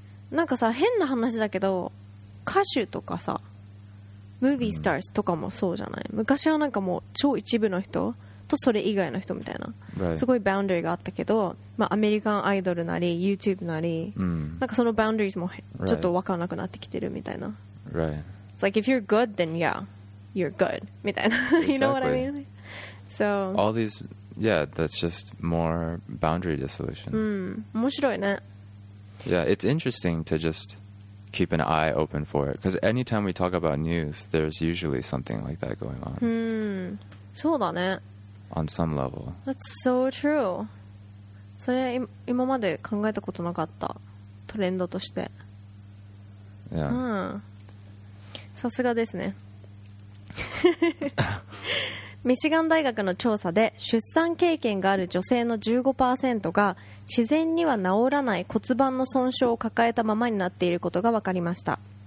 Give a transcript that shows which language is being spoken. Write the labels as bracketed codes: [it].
[ja] なんかさ、変な話だけど、歌手とかさ、ムービースターズとかもそうじゃない。昔はなんかもう超一部の人とそれ以外の人みたいな、 [en] right. [ja] すごいバウンダリーがあったけど、まあ、アメリカンアイドルなり YouTube なり、なんかそのバウンダリーも、 [en] right. [ja] ちょっと分からなくなってきてるみたいな。 [en] Right. It's like if you're good, then yeah, you're good みたいな。 Exactly. You know what I mean? So all these, yeah, that's just more boundary dissolution. [ja] 面白いね。 [en] Yeah, it's interesting to just keep an eye open for it. Because anytime we talk about news, there's usually something like that going on. [ja] そうだね。 [en] On some level. That's so true. [ja] それ今まで考えたことなかった。トレンドとして。 [en] Yeah. [ja] さすがですね。ミシガン大学の調査で出産経験がある女性の 15% が自然には治らない骨盤の損傷を抱えたままになっていることが分かりました。